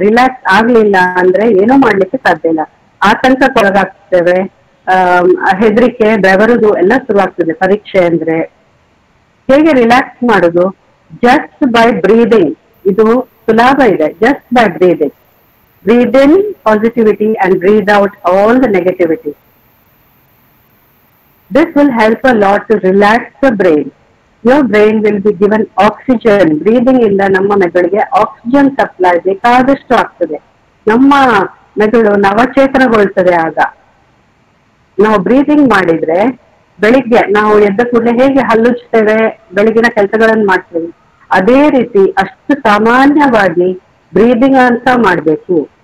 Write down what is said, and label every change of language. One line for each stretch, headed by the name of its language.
Kannada: Relax ಆಗಲಿಲ್ಲ ಅಂದ್ರೆ ಏನೋ ಮಾಡಲಿಕ್ಕೆ ಸಾಧ್ಯ ಇಲ್ಲ. ಆತಂಕಕ್ಕೊಳಗಾಗ್ತೇವೆ, ಹೆದರಿಕೆ ಬೆವರದು ಎಲ್ಲ ಶುರುವಾಗ್ತದೆ. ಪರೀಕ್ಷೆ ಅಂದ್ರೆ ಹೇಗೆ ರಿಲ್ಯಾಕ್ಸ್ ಮಾಡೋದು?
English: Just by breathing.
Kannada: ಇದು ಸುಲಭ ಇದೆ.
English: Just by breathing, breathe in positivity and breathe out all the negativity. This will help a lot to relax the brain. Your brain will be given oxygen.
Kannada: Breathing ಇಂದ ನಮ್ಮ ಮೆದುಳಿಗೆ oxygen supply ಬೇಕಾದಷ್ಟು ಆಗ್ತದೆ. ನಮ್ಮ ಮೆದುಳು ನವಚೇತನಗೊಳ್ತದೆ. ಆಗ ನಾವು ಬ್ರೀದಿಂಗ್ ಮಾಡಿದ್ರೆ ಬೆಳಿಗ್ಗೆ ನಾವು ಎದ್ದ ಕೂಡಲೇ ಹೇಗೆ ಹಲ್ಲುಚ್ತೇವೆ, ಬೆಳಗಿನ ಕೆಲಸಗಳನ್ನು ಮಾಡ್ತೇವೆ, ಅದೇ ರೀತಿ ಅಷ್ಟು ಸಾಮಾನ್ಯವಾಗಿ ಬ್ರೀದಿಂಗ್ ಅಂತ ಮಾಡಬೇಕು.